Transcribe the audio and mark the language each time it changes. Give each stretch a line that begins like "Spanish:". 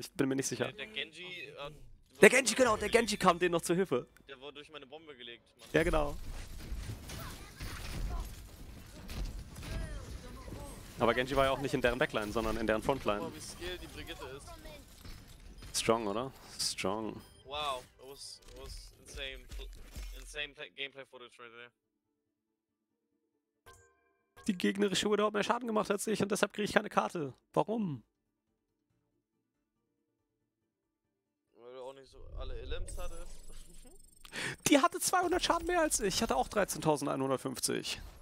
German: Ich bin mir nicht sicher. Der Genji kam denen noch zur Hilfe. Der wurde durch meine Bombe gelegt. Ja, genau. Aber Genji war ja auch nicht in deren Backline, sondern in deren Frontline. Wie skilled die Brigitte ist.
English: Strong,
German: oder?
English: Strong. Wow, it was insane gameplay footage right there.
German: Die gegnerische Widow hat mehr Schaden gemacht als ich und deshalb kriege ich keine Karte. Warum? Weil du auch nicht so alle Elims hattest. Die hatte 200 Schaden mehr als ich. Ich hatte auch 13.150.